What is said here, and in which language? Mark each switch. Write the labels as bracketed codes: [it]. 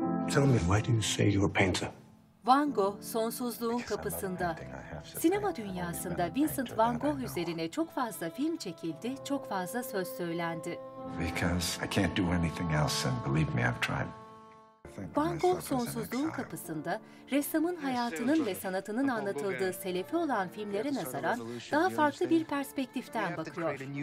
[en] Tell me, why didn't you say you were a painter? [tr] Van Gogh sonsuzluğun kapısında. Sinema dünyasında Vincent Van Gogh üzerine çok fazla film çekildi, çok fazla söz söylendi. [en] Because I can't do anything else, and believe me, I've tried. [tr] Van Gogh sonsuzluğun kapısında ressamın hayatının ve sanatının anlatıldığı selefi olan filmlere nazaran daha farklı bir perspektiften bakıyor.